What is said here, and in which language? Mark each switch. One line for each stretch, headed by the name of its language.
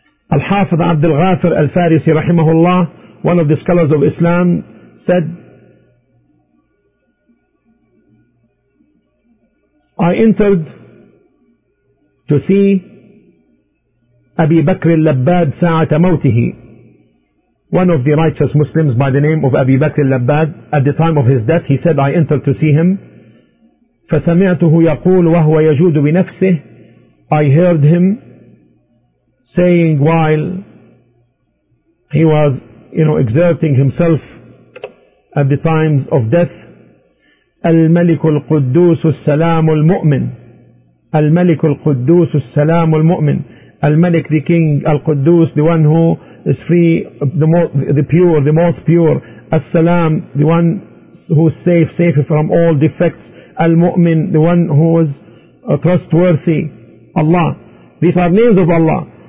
English: Al-Hafidh Abdul Ghafir Al-Farisi rahimahullah, one of the scholars of Islam, said, I entered to see Abi Bakr al-Labbad
Arabic: sa'at mawtihi,
English: one of the righteous Muslims by the name of Abi Bakr al-Labbad. At the time of his death, he said, I entered to see him.
Arabic: فسمعته يقول وهو يجود بنفسه.
English: I heard him saying while he was, you know, exerting himself at the times of death,
Arabic: الملك القدوس السلام المؤمن. الملك القدوس السلام المؤمن.
English: الملك, the king, القدوس, the one who is free, the most pure, السلام, the one who is safe from all defects, المؤمن, the one who is trustworthy, Allah. These are names of Allah.